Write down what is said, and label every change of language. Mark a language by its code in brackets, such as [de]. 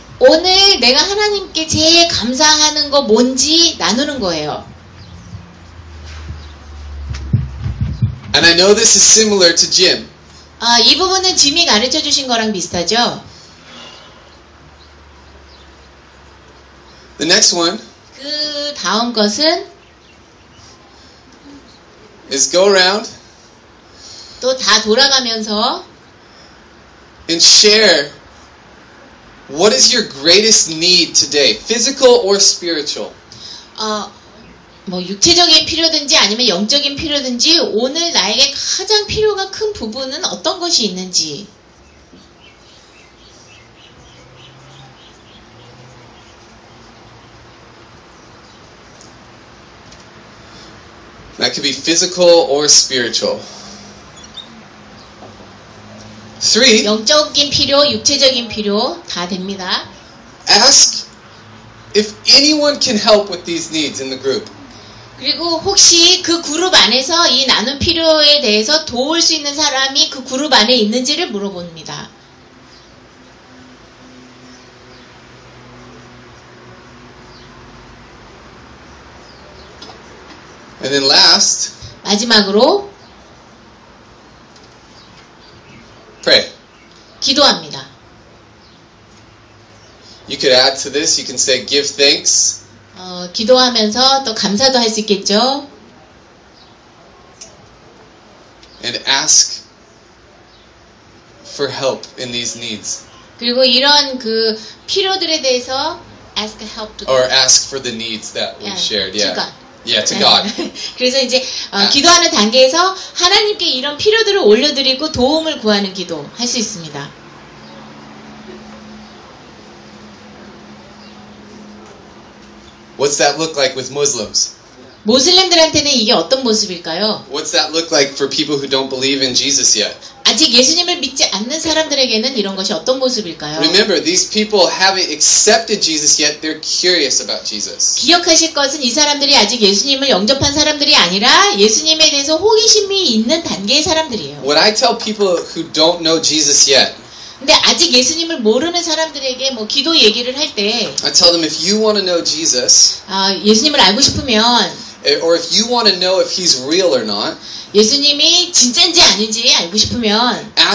[ko] 오늘 내가 하나님께 제일 감사하는 거 뭔지 나누는 거예요. [en] And I know this is similar to Jim. [ko] 아, 이 부분은 짐이 가르쳐 주신 거랑 비슷하죠? [en] The next one. [ko] 그 다음 것은 [en] is go around. [ko] 또 다 돌아가면서 [en] and share what is your greatest need today, physical or spiritual? [ko] 뭐 육체적인 필요든지 아니면 영적인 필요든지 오늘 나에게 가장 필요가 큰 부분은 어떤 것이 있는지. [en] That could be physical or spiritual. Three. [ko] 영적인 필요, 육체적인 필요 다 됩니다. [en] Ask if anyone can help with these needs in the group. [ko] 그리고 혹시 그 그룹 안에서 이 나눔 필요에 대해서 도울 수 있는 사람이 그 그룹 안에 있는지를 물어봅니다. [en] And then last, [ko] 마지막으로 [en] pray. [ko] 기도합니다. [en] You could add to this, you can say give thanks. [ko] 기도하면서 또 감사도 할 수 있겠죠. [en] And ask for help in these needs. [ko] 그리고 이런 그 필요들에 대해서 [en] ask help to God. Or ask for the needs that we shared. Yeah. Yeah, to God. [ko] 그래서 이제 기도하는 단계에서 하나님께 이런 필요들을 올려드리고 도움을 구하는 기도 할 수 있습니다. [en] What's that look like with Muslims? [ko] 무슬림들한테는 이게 어떤 모습일까요? [en] What's that look like for people who don't believe in Jesus yet? [ko] 아직 예수님을 믿지 않는 사람들에게는 이런 것이 어떤 모습일까요? [en] Remember, these people haven't accepted Jesus yet. They're curious about Jesus. [ko] 기억하실 것은 이 사람들이 아직 예수님을 영접한 사람들이 아니라 예수님에 대해서 호기심이 있는 단계의 사람들이에요. [en] What I tell people who don't know Jesus yet. [ko] 근데 아직 예수님을 모르는 사람들에게 뭐 기도 얘기를 할 때 [en] I tell them if you want to know Jesus [ko] 예수님을 알고 싶으면 [en] or if you want to know if he's real or not [ko] 예수님이 진짜인지 아닌지 알고 싶으면